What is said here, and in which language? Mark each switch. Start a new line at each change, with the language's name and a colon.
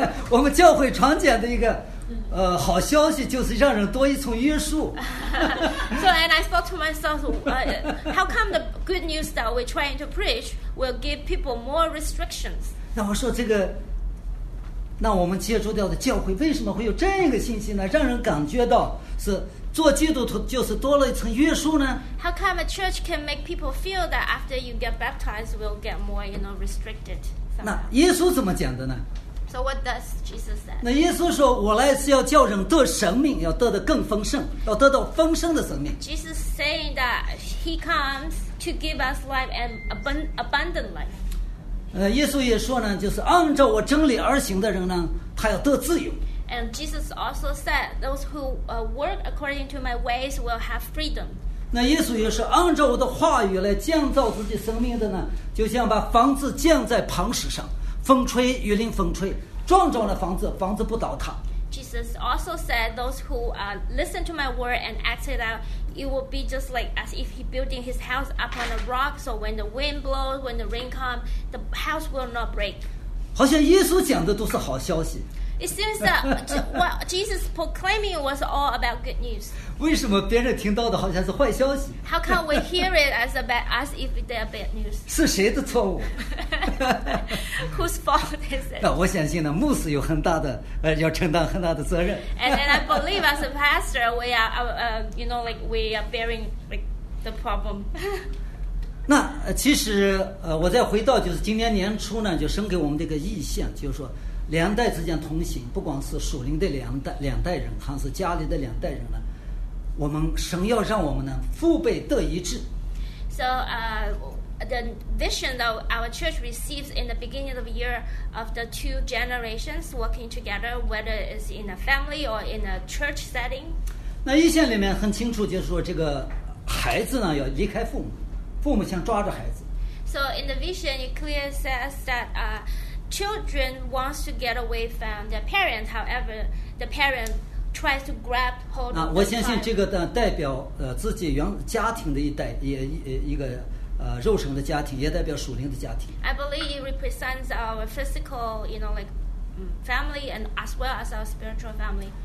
Chinese: 我们教会传讲的一个好消息就是让人多一层约束。
English: So and I thought to myself, how come the good news that we're trying to preach will give people more restrictions?
Chinese: 那我说这个，那我们接触到的教会为什么会有这个信息呢？让人感觉到是做基督徒就是多了一层约束呢
English: ？How come a church can make people feel that after you get baptized will get more, you know, restricted?
Chinese: 那耶稣怎么讲的呢
English: ？So what does Jesus say?
Chinese: 那耶稣说：“我来是要叫人得生命，要得的更丰盛，要得到丰盛的生命。”
English: Jesus saying that he comes to give us life and abundant life.
Chinese: 耶稣也说呢，就是按照我真理而行的人呢，他要得自由。
English: And Jesus also said, those who work according to my ways will have freedom.
Chinese: 那耶稣也是按照我的话语来建造自己生命的呢。就像把房子建在磐石上，风吹雨淋，风吹撞撞了房子，房子不倒塌。
English: Jesus also said, "Those who listen to my word and act it out, it will be just like as if he building his house upon a rock. So when the wind blows, when the rain comes, the house will not break."
Chinese: 好像耶稣讲的都是好消息。
English: It seems that what Jesus proclaiming was all about good news.
Chinese: 为什么别人听到的好像是坏消息
English: ？How come we hear it as a bad, as if they are bad news?
Chinese: 是谁的错误
English: ？Whose fault is it?
Chinese: 我相信呢，牧师有很大的要承担很大的责任。
English: And then I believe as a pastor, we are you know, like we are bearing like the problem.
Chinese: 那其实我再回到就是今年年初呢，就生给我们这个意象，就是说。两代之间同行，不光是属灵的两代人，还是家里的两代人呢。我们神要让我们呢父辈得一致。
English: So, the vision that our church receives in the beginning of the year of the two generations working together, whether it's in a family or in a church setting.
Chinese: 那意象里面很清楚，就是说这个孩子呢要离开父母，父母想抓着孩子。
English: So in the vision, it clearly says that Children wants to get away from their parents. However, the parent tries to grab hold.
Chinese: 那我相信这个呢，代表自己原家庭的一代，也一个肉身的家庭，也代表属灵的家庭。
English: I believe it represents our physical, you know, like family, and as well as our spiritual family.